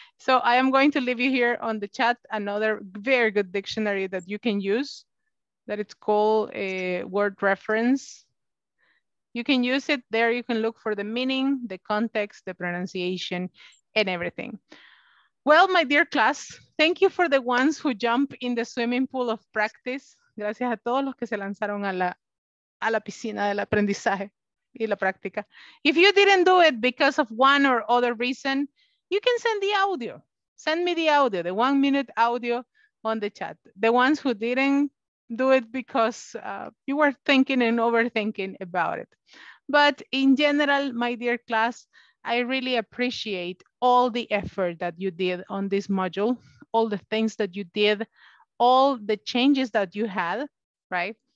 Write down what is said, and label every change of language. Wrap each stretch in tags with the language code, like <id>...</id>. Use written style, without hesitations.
<en>So I am going to leave you here on the chat another very good dictionary that you can use, that it's called a word reference. You can use it there. You can look for the meaning, the context, the pronunciation, and everything. Well, my dear class, thank you for the ones who jump in the swimming pool of practice.</en> <es>Gracias a todos los que se lanzaron a la piscina del aprendizaje. Y la práctica.</es> <en>If you didn't do it because of one or other reason, you can send the audio. Send me the audio, the 1 minute audio on the chat. The ones who didn't do it because you were thinking and overthinking about it. But in general, my dear class, I really appreciate all the effort that you did on this module, all the things that you did, all the changes that you had, right?</en>